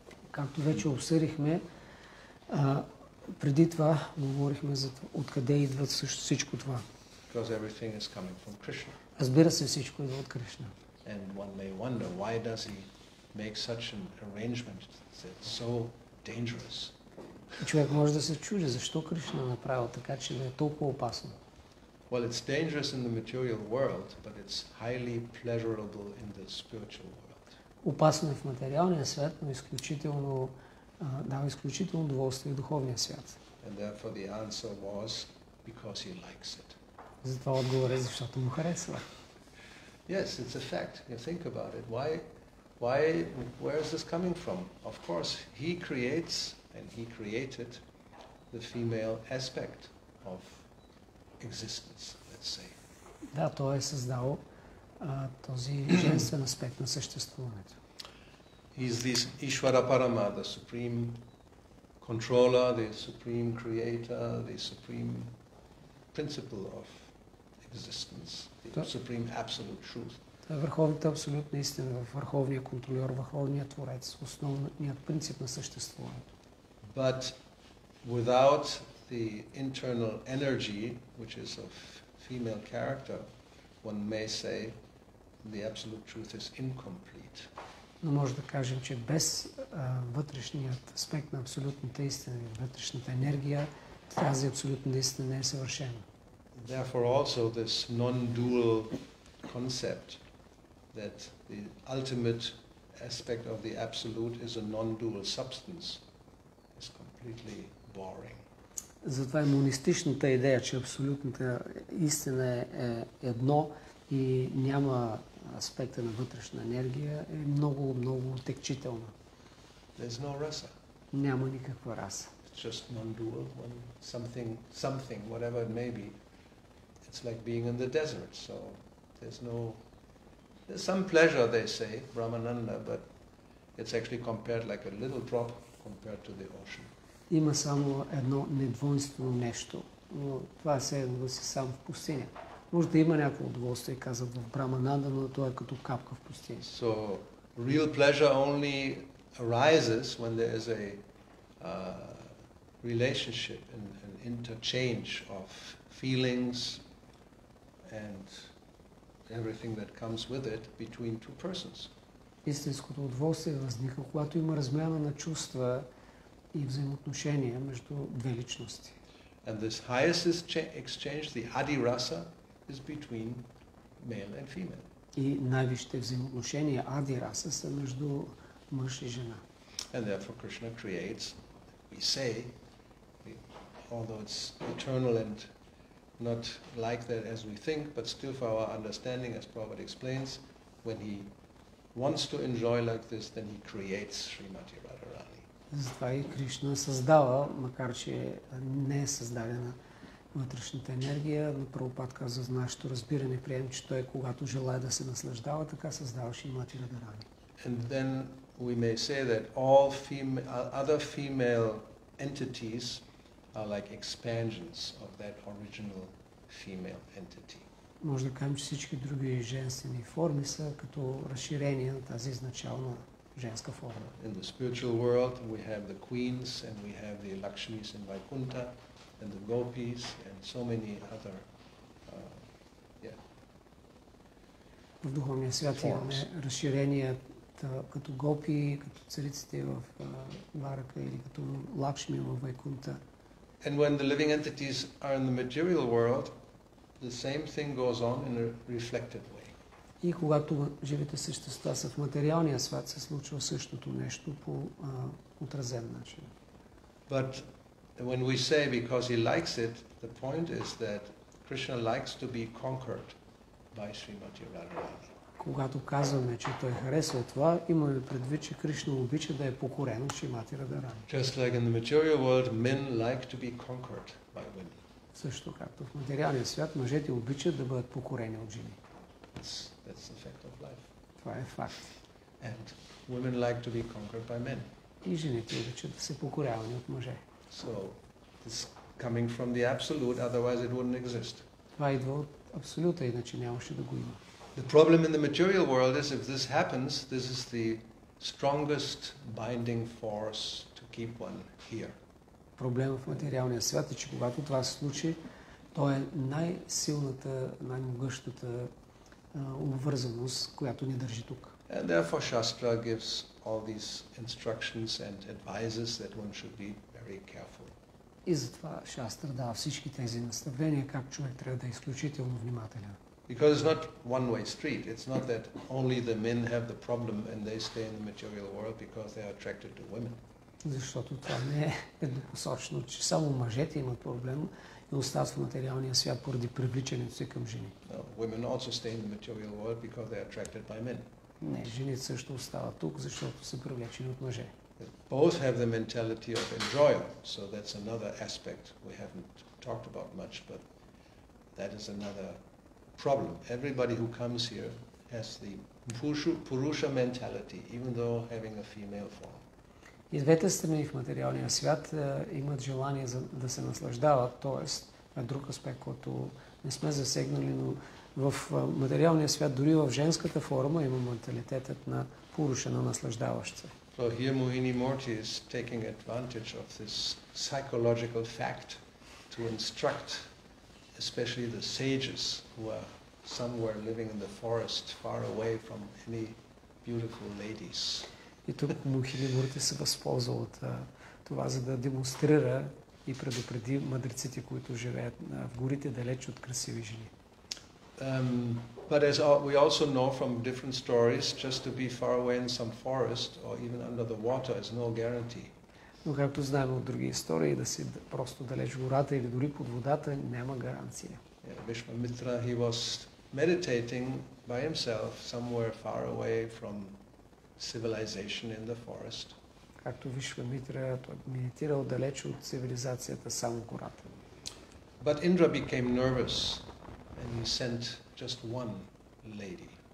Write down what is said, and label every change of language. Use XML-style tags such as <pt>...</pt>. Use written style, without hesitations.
<bg>Както вече обсъдихме, преди това говорихме за това, откъде идва всичко това.</bg> <en>Because everything is coming from Krishna.</en> <bg>Разбира се, всичко идва от Кришна.</bg> <en>And one may wonder why does he make such an arrangement that is so dangerous.</en> <bg>Човек може да се чуди защо Кришна направил така, че да е толкова опасно.</bg> <en>Well, it's dangerous in the material world, but it's highly pleasurable in the spiritual world.</en> <bg>Опасно е в материалния свят, но изключително дава изключително удоволствие в духовния свят.</bg> <en>And therefore the answer was because he likes it.</en> <bg>Затова отговорът е, защото му харесва.</bg> <en>Yes, it's a fact. You think about it. Why where is this coming from? Of course, he creates and he created the female aspect of existence, let's say.</en> <bg>Да, той е създал този женствен аспект на съществуването.</bg> <en>He is this Ishvara Parama, the supreme controller, the supreme creator, the supreme principle of existence, the supreme absolute truth.</en> <bg>Това е върховната абсолютна истина, върховният контролер, върховният творец, основният принцип на съществуването.</bg> <en>But without the internal energy, which is of female character, one may say the absolute truth is incomplete.</en> <bg>Но може да кажем, че без вътрешният аспект на абсолютната истина и вътрешната енергия, тази абсолютна истина не е съвършена.</bg> <en>Therefore also this non-dual concept that the ultimate aspect of the absolute is a non-dual substance. It's completely boring.</en> <bg>Затова е монистичната идея, че абсолютната истина е едно и няма аспекта на вътрешна енергия, е много, много текчителна.</bg> <en>There's no rasa.</en> <bg>Няма никаква раса.</bg> <en>It's just non-dual, one, something, whatever it may be. It's like being in the desert, so there's no... There's some pleasure, they say, Brahmananda, but it's actually compared like a little drop compared to the ocean.</en> <bg>Има само едно недвойнствено нещо. Това се е да си сам в пустиня. Може да има някакво удоволствие, казва в Брамананда, но това е като капка в пустиня.</bg> <en>So, real pleasure only arises when there is a relationship and an interchange of feelings and everything that comes with it between two persons.</en> <bg>Истинското удоволствие възниква, когато има размяна на чувства и взаимоотношения между две личности.</bg> <en>And this highest exchange, the adirasa, is between male and female.</en> <bg>И най-висшите взаимоотношения, адираса, са между мъж и жена.</bg> <en>And therefore Krishna creates, we say, although it's eternal and not like that as we think, but still for our understanding, as Prabhupada explains, when he wants to enjoy like this, then he creates Srimati Radharani.</en> <bg>Затова и Кришна създава, макар че не е създадена вътрешната енергия, но Прабхупад казва за нашето разбиране, приемем, че той, когато желая да се наслаждава, така създава Шримати Радарани.</bg> <en>And then we may say that all other female entities are like expansions of that original female entity.</en> <bg>Може да кажем, че всички други женствени форми са като разширение на тази изначална женска форма.</bg> <en>In the spiritual world we have the queens and we have the Lakshmis in Vaikuntha and the gopis and so many other</en> <bg>В духовния свят имаме разширенията като гопи, като царицата в Варака или като Лакшми в Вайкунта.</bg> <en>And when the living entities are in the material world, the same thing goes on in a reflected way.</en> <bg>И когато живите същества са в материалния свят, се случва същото нещо по отразен начин.</bg> <en>But when we say because he likes it, the point is that Krishna likes to be conquered by Srimati Radharani.</en> <bg>Когато казваме, че той харесва това, имаме предвид, че Кришна обича да е покорен от Шримати Радарани.</bg> <en>Just like in the material world, men like to be conquered by women.</en> <bg>Също както в материалния свят, мъжете обичат да бъдат покорени от жени.</bg> <en>That's the fact of life.</en> <bg>Това е факт.</bg> <en>And women like to be conquered by men.</en> <bg>И жените обичат да се покорявани от мъже.</bg> <en>So, this coming from the absolute, otherwise it wouldn't exist.</en> <bg>Това идва от абсолюта, иначе нямаше да го има.</bg> <en>The problem in the material world is if this happens, this is the strongest binding force to keep one here.</en> <bg>Проблемът в материалния свят е, че когато това се случи, то е най-силната, най-могъщата обвързаност, която ни държи тук.</bg> <en>And therefore Shastra gives all these instructions and advises that one should be very careful.</en> <bg>И затова Шастра дава всички тези наставления, как човек трябва да е изключително внимателен.</bg> <en>Because it's not one-way street. It's not that only the men have the problem and they stay in the material world because they are attracted to women.</en> <bg>Защото това не е еднопосочно, че само мъжете имат проблем и остават в материалния свят поради привличането си към жени.</bg> <en>No, women also stay in the material world because they are attracted by men.</en> <bg>Не, жените също остават тук, защото са привлечени от мъже.</bg> <en>Both have the mentality of enjoyer, so that's another aspect we haven't talked about much, but that is another problem. Everybody who comes here has the purusha mentality, even though having a female form.</en> <bg>И двете страни в материалния свят имат желание да се наслаждават, т.е. друг аспект, който не сме засегнали, но в материалния свят, дори в женската форма, има менталитетът на пуруша, на наслаждаващ се.</bg> <en>So here Mohini Murti is taking advantage of this psychological fact to instruct especially the sages who are somewhere living in the forest far away from any beautiful ladies.</en> <bg>И тук Мохини Мурти се възползва от това, за да демонстрира и предупреди мъдреците, които живеят в горите далеч от красиви жени.</bg> <en>But as we also know from different stories, just to be far away in some forest or even under the water is no guarantee.</en> <bg>Но както знаем от други истории, да си просто далеч в гората или дори под водата няма гаранция.</bg> <en>Bhishma Mitra, he was meditating by himself somewhere far away from civilization in the forest.</en> <bg>Както Бишва Митра, той медитирал далеч от цивилизацията, само в гората.</bg> <en>But Indra became nervous and he sent just one lady.</en>